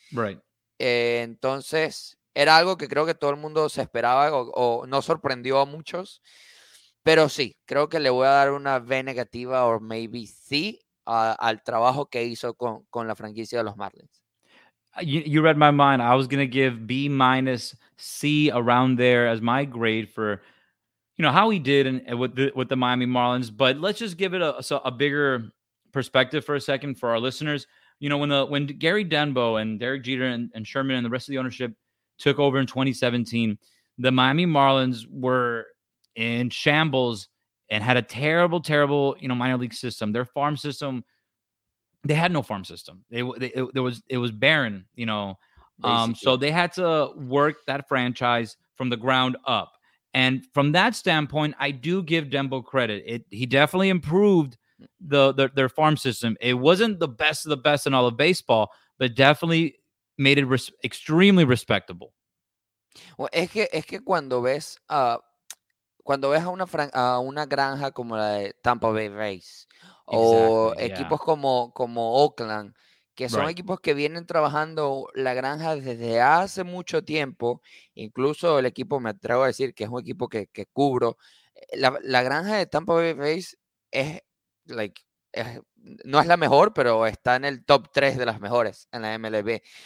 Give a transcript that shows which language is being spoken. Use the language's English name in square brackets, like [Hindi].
[English] Right. [Spanish] Entonces era algo que creo que todo el mundo se esperaba o no sorprendió a muchos. Pero sí, creo que le voy a dar una B negativa o maybe C al trabajo que hizo con la franquicia de los Marlins. [English] You read my mind. I was going to give B minus C around there as my grade for, you know, how he did with the Miami Marlins. But let's just give it a bigger perspective for a second for our listeners. You know, when Gary Dembo and Derek Jeter and Sherman and the rest of the ownership took over in 2017, the Miami Marlins were in shambles and had a terrible, terrible, you know, minor league system. Their farm system, they had no farm system. It was barren, you know. So they had to work that franchise from the ground up. And from that standpoint, I do give Dembo credit. He definitely improved their farm system. It wasn't the best of the best in all of baseball, but definitely made it extremely respectable. [Spanish] Well, es que cuando ves cuando ves a una granja como la de Tampa Bay Rays o equipos como Oakland, que son equipos que vienen trabajando la granja desde hace mucho tiempo, incluso el equipo, me atrevo a decir, que es un equipo que cubro, la granja de Tampa Bay Rays no es la mejor, pero está en el top 3 de las mejores en la MLB.